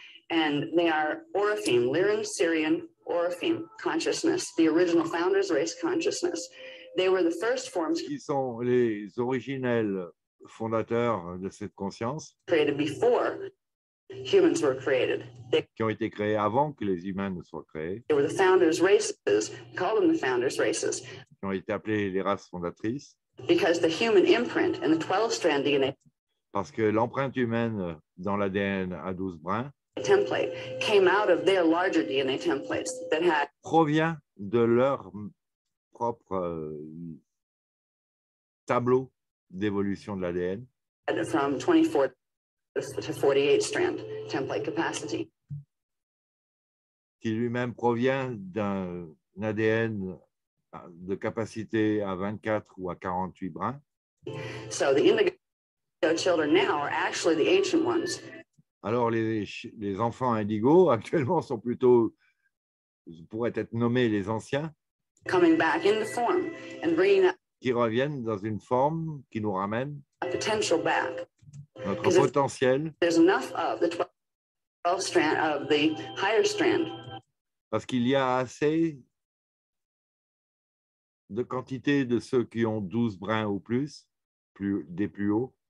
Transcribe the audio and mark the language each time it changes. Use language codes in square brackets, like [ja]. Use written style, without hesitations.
[en] And they are Orophim, Lyrian Syrian Orophim consciousness, the original founders race consciousness. They were the first forms. [fr] Qui sont les originels fondateurs de cette conscience? [en] Created before humans were created. [fr] Qui ont été créés avant que les humains ne soient créés. [en] They were the founders races. Call them the founders races. [fr] Qui ont été appelés les races fondatrices. [en] Because the human imprint in the 12-strand DNA. [fr] Parce que l'empreinte humaine dans l'ADN à 12 brins. [en] Template came out of their larger DNA templates that had. [fr] provient de leur propre tableau d'évolution de l'ADN. [en] From 24 to 48 strand template capacity. [fr] Qui lui-même provient d'un ADN de capacité à 24 ou à 48 brins. [en] So the indigo children now are actually the ancient ones. [fr] Alors les enfants indigo actuellement sont plutôt, pourraient être nommés les anciens. [en] Coming back in the form and bringing up, [fr] qui reviennent dans une forme qui nous ramène [en] a potential back. [fr] Notre potentiel. [en] There's enough of the 12 strand of the higher strand. [fr] Parce qu'il y a assez de quantité de ceux qui ont 12 brins ou plus des plus hauts.